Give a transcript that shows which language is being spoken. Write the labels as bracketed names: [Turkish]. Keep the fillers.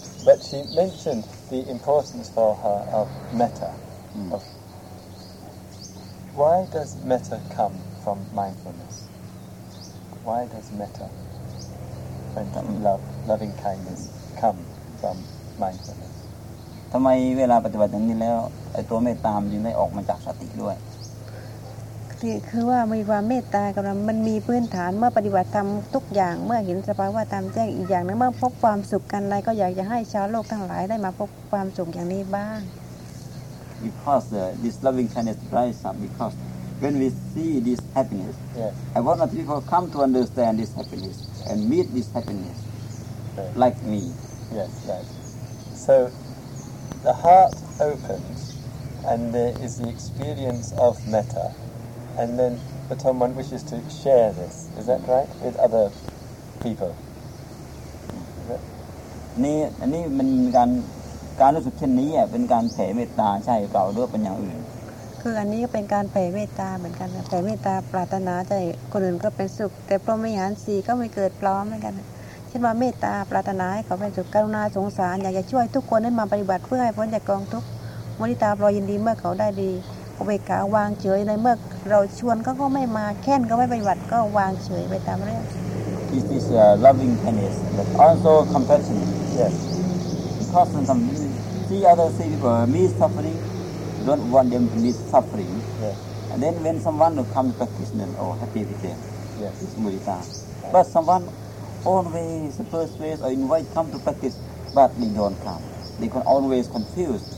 [English] But she mentioned the importance for her of metta. Mm. Of why does metta come from mindfulness? Why does metta, when love, loving kindness, come from mindfulness? [Thai] ทำไมเวลาปฏิบัติอย่างนี้แล้วไอ้ตัวเมตตามนจึงได้ออกมาจากสติด้วย คือคือว่ามีความเมตตากำลังมันมีพื้นฐานเมื่อปฏิบัติธรรมทุกอย่างเมื่อเห็นสภาวะตามแจ้งอีกอย่างหนึงเมื่อพบความสุขกันใดก็อยากจะให้ชาวโลกทั้งหลายได้มาพบความสุขอย่างนี้บ้าง [English] because uh, this loving kindness rise up because when we see this happiness Yes. I want other people come to understand this happiness and meet this happiness Right. like me Yes, right. So the heart opens and there is the experience of metta. And then but someone wishes to share this, is that right, with other people? [Thai] นี่อันนี้มันเป็นการการรู้สึกเช่นนี้อ่ะเป็นการแผ่เมตตาใช่เปล่าหรือว่าเป็นอย่างอื่น คืออันนี้ก็เป็นการแผ่เมตตาเหมือนกันนะแผ่เมตตาปรารถนาใจคนอื่นก็เป็นสุข แต่พรหมวิหารสีก็ไม่เกิดพร้อมเหมือนกันนะเช่นว่าเมตตาปรารถนาให้เขาเป็นสุขกรุณาสงสาร อยากจะช่วยทุกคนให้มาปฏิบัติเพื่อให้พ้นจากกองทุกข์มุทิตาปลอยยินดีเมื่อเขาได้ดีอุเบกขาวางเฉยในเมื่อเราชวนก็ก็ไม่มาแค้นก็ไม่ปฏิบัติก็วางเฉยไปตามเรื่อง [English] This is a loving kindness but also compassion Yes. because some see other see people me suffering don't want them to be suffering Yes. and then when someone will come practitioner or happy with them Yes. is mudita but someone always the first place or invite come to practice but they don't come they can always confused